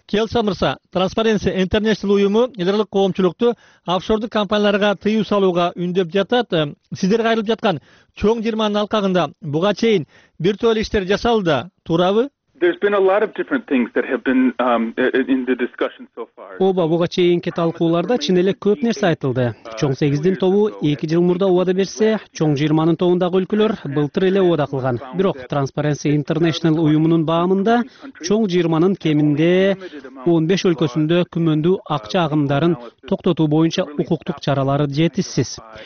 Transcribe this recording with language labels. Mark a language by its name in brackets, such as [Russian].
[Kyrgyz] Келса мырса, Transparency International уюму эл аралык коомчулукту офшордук компанияларга тыюу салууга үндөп жатат. Сиздер кайрылып жаткан чоң жырманын алкагында буга чейин бир топ иштер жасалды, туурабы? [English] There's been a lot of different things that have been in the discussion so far. [Kyrgyz] Оба буга чейинки талкууларда чын эле көп нерсе айтылды. Чоң 8'дин тобу 2 жыл мурда убада берсе, чоң 20'нын тобундагы өлкөлөр былтыр эле убада кылган. Бирок Transparency International уюмунун баамында чоң 20'нын кеминде 15 өлкөсүндө күмөндүү акча агымдарын токтотуу боюнча укуктук чаралары жетишсиз.